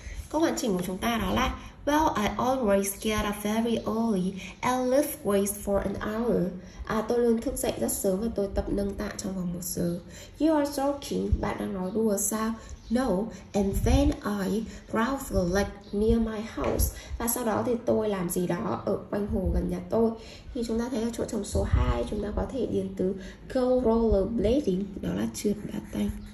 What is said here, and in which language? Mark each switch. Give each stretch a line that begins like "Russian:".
Vietnamese: Câu hoàn chỉnh của chúng ta đó là
English: well, I always get up very early and lift weights for an hour.
Vietnamese: À, tôi luôn thức dậy rất sớm và tôi tập nâng tạ trong vòng một giờ.
English: You are joking,
Vietnamese: bạn đang nói đùa sao?
English: No, and then I grab the lake near my house.
Vietnamese: Và sau đó thì tôi làm gì đó ở quanh hồ gần nhà tôi. Thì chúng ta thấy ở chỗ trong số 2 chúng ta có thể điền từ
English: go rollerblading,
Vietnamese: đó là trượt ba tanh.